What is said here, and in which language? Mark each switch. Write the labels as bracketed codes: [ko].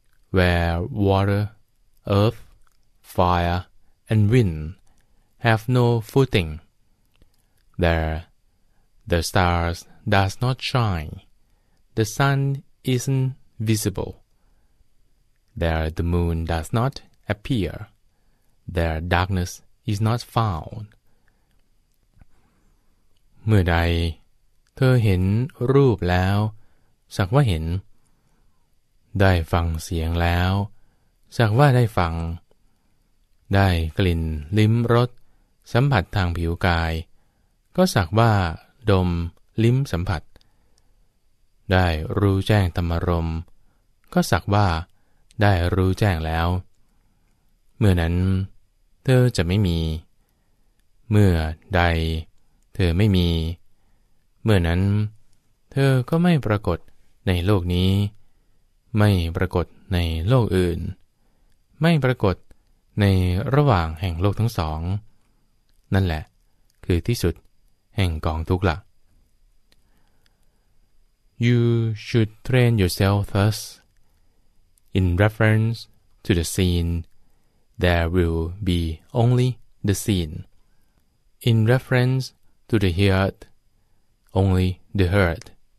[en] Where waterEarth, fire, and wind have no footing. There, the stars does not shine. The sun isn't visible. There, the moon does not appear. There, darkness is not found. [th] เมื่อใดเธอเห็นรูปแล้วสักว่าเห็นได้ฟังเสียงแล้วสักว่าได้ฟังได้กลิ่นลิ้มรสสัมผัสทางผิวกายก็สักว่าดมลิ้มสัมผัส ได้รู้แจ้งธรรมรมก็สักว่าได้รู้แจ้งแล้วเมื่อนั้นเธอจะไม่มีเมื่อใดเธอไม่มีเมื่อนั้นเธอก็ไม่ปรากฏในโลกนี้ไม่ปรากฏในโลกอื่นไม่ปรากฏในระหว่างแห่งโลกทั้งสองนั่นแหละคือที่สุดแห่งกองทุกข์ล่ะ [en] You should train yourself thus. In reference to the seen, there will be only the seen. In reference to the heard, only the heard.